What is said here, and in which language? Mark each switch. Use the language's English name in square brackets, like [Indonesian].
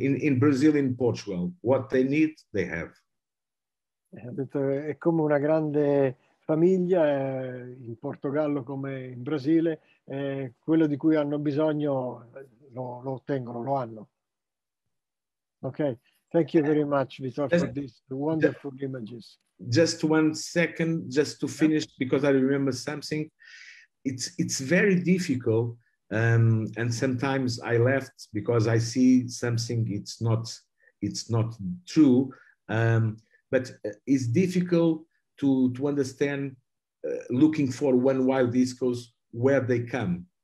[English] In Brazil, in Portugal, what they need, they have. [Italian] È come una grande famiglia in Portogallo come in Brasile. Quello di cui hanno bisogno lo ottengono, lo hanno. [English] Okay, thank you very much, Vitor, for these wonderful images. Just one second, just to finish, because I remember something. It's very difficult. And sometimes I left because I see something it's not true, but it's difficult to understand looking for one wild discos where they come.